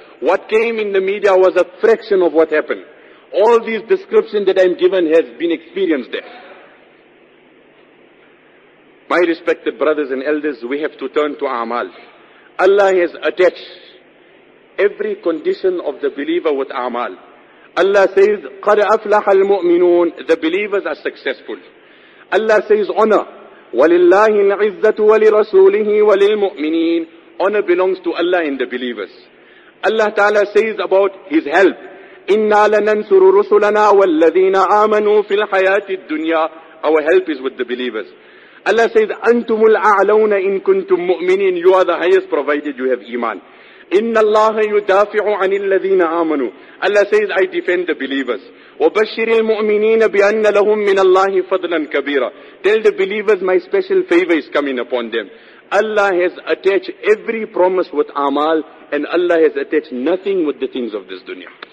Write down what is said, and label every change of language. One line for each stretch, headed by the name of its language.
English: What came in the media was a fraction of what happened. All these descriptions that I'm given has been experienced there. My respected brothers and elders, we have to turn to a'mal. Allah has attached every condition of the believer with a'mal.
Arabic: Allah says, قَدْ أَفْلَحَ الْمُؤْمِنُونَ.
English: The believers are successful.
Arabic: Allah says, honor. وَلِلَّهِ الْعِزَّةُ وَلِرَسُولِهِ وَلِلْمُؤْمِنِينَ.
English: Honor belongs to Allah and the believers. Allah Ta'ala says about His help,
Arabic: إِنَّا لَنَنْسُرُ رُسُلَنَا وَالَّذِينَ آمَنُوا فِي الْحَيَاةِ الدُّنْيَا.
English: Our help is with the believers.
Arabic: Allah says, أَنْتُمُ الْأَعْلَوْنَ إِن كُنْتُم مُؤْمِنِينَ.
English: You are the highest provided you have iman.
Arabic: إِنَّ اللَّهَ يُدَافِعُ عَنِ الَّذِينَ آمَنُوا.
English: Allah says, I defend the believers.
Arabic: وَبَشِّرِ الْمُؤْمِنِينَ بِأَنَّ لَهُم مِّنَ اللَّهِ فَضْلًا كَبِيرًا.
English: Tell the believers, my special favor is coming upon them. Allah has attached every promise with amal, and Allah has attached nothing with the things of this dunya.